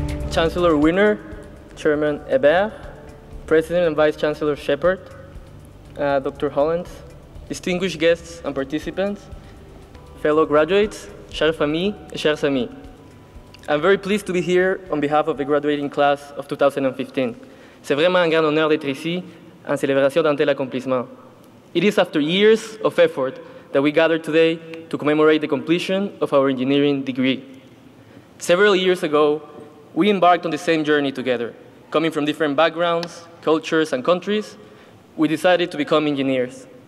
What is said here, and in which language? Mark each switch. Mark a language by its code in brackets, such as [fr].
[en] Chancellor Wiener, Chairman Hebert, President and Vice Chancellor Shepherd, Dr. Holland, distinguished guests and participants, fellow graduates, [fr] chers familles, chers amis. [en] I'm very pleased to be here on behalf of the graduating class of 2015. [fr] C'est vraiment un grand honneur d'être ici en célébration d'un tel accomplissement. [en] It is after years of effort that we gather today to commemorate the completion of our engineering degree. Several years ago, we embarked on the same journey together. Coming from different backgrounds, cultures, and countries, we decided to become engineers.